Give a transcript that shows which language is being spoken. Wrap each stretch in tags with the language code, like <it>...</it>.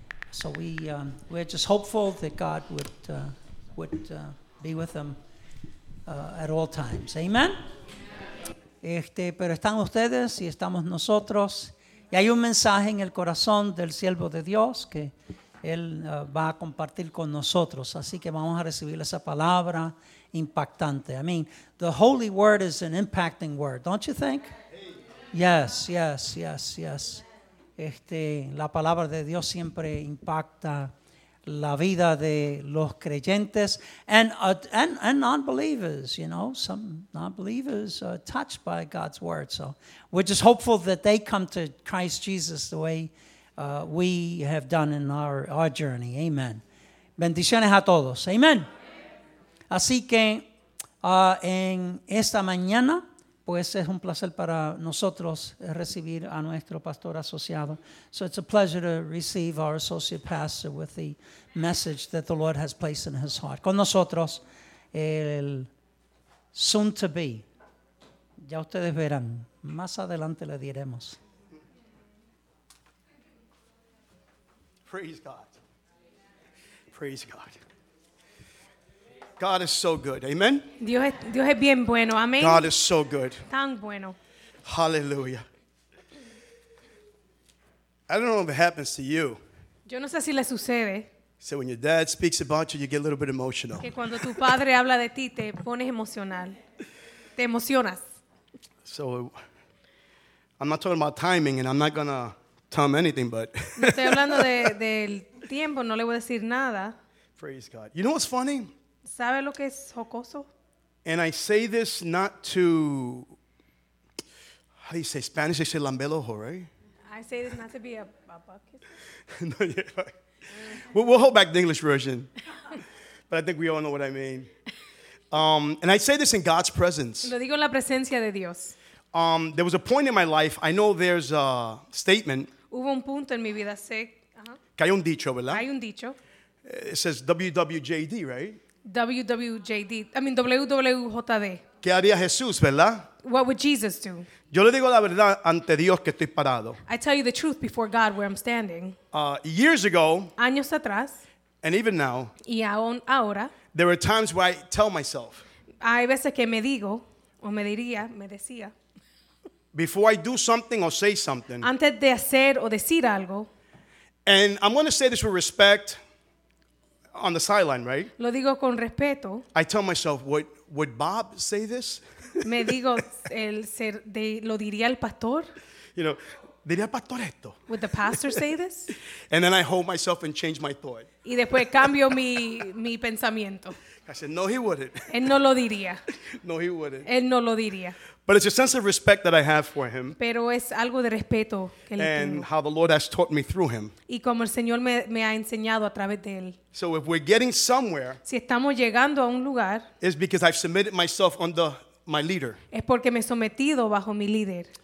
<en>So we're just hopeful that God would be with them at all times, amen.</en> <es>Pero están ustedes y estamos nosotros, y hay un mensaje en el corazón del siervo de Dios que él va a compartir con nosotros, así que vamos a recibir esa palabra impactante.</es> <en>I mean, the holy word is an impacting word, don't you think? Yes, yes, yes, yes.</en> <es>La palabra de Dios siempre impacta la vida de los creyentes,</es> <en>and non-believers, you know, some non-believers are touched by God's word. So we're just hopeful that they come to Christ Jesus the way we have done in our journey.</en> <es>Amen. Bendiciones a todos. Amen. Así que en esta mañana, pues es un placer para nosotros recibir a nuestro pastor asociado.</es> <en>So it's a pleasure to receive our associate pastor with the message that the Lord has placed in his heart.</en> <es>Con nosotros, el</es> <en>soon to be.</en> <es>Ya ustedes verán, más adelante le diremos.</es> <en>Praise God. Praise God. God is so good. Amen.</en> <es>Dios es bien bueno. Amen.</es> <en>God is so good.</en> <es>Tan bueno.</es> <en>Hallelujah. I don't know if it happens to you.</en> <es>Yo no sé si le sucede.</es> <en>So when your dad speaks about you, you get a little bit emotional.</en> <es>Que cuando tu padre habla de ti, te pones emocional. Te emocionas.</es> <en>So I'm not talking about timing, and I'm not going to tell him anything, but</en> <es>no estoy hablando del tiempo, no le voy a decir nada.</es> <en>Praise God. You know what's funny?</en> <es>¿Sabe lo que es jocoso?</es> <en>And I say this not to, how do you say Spanish? They say lambelojo, right? I say this not to be a bucket. No, yeah, we'll hold back the English version. But I think we all know what I mean. And I say this in God's presence.</en> <es>Lo digo en la presencia de Dios.</es> <en>There was a point in my life, I know there's a statement.</en> <es>Hubo un punto en mi vida, sé. Que hay un dicho, ¿verdad? Hay un dicho.</es> <en>It says WWJD, right? WWJD, I mean WWJD.</en> <es>¿Qué haría Jesús, verdad?</es> <en>What would Jesus do?</en> <es>Yo le digo la verdad ante Dios que estoy parado.</es> <en>I tell you the truth before God where I'm standing. Years ago.</en> <es>Años atrás.</es> <en>And even now.</en> <es>Y aún ahora.</es> <en>There are times where I tell myself.</en> <es>Hay veces que me digo, o me diría, me decía.</es> <en>Before I do something or say something.</en> <es>Antes de hacer o decir algo.</es> <en>And I'm going to say this with respect. On the sideline, right?</en> <es>Lo digo con respeto.</es> <en>I tell myself, would Bob say this?</en> <es>Me digo, lo diría el pastor? You know, diría el pastor esto?</es> <en>Would the pastor say this? And then I hold myself and change my thought.</en> <es>Y después cambio mi pensamiento.</es> <en>I said, no, he wouldn't.</en> <es>Él no lo diría.</es> <en>No, he wouldn't.</en> <es>Él no lo diría.</es> <en>But it's a sense of respect that I have for him.</en> <es>Pero es algo de respeto que le</es> <en>and</en> <es>tengo.</es> <en>How the Lord has taught me through him.</en> <es>Y como el Señor me ha enseñado a través de él.</es> <en>So if we're getting somewhere,</en> <es>si estamos llegando a un lugar,</es> <en>it's because I've submitted myself under my leader.</en> <es>Es porque me he sometido bajo mi líder.</es>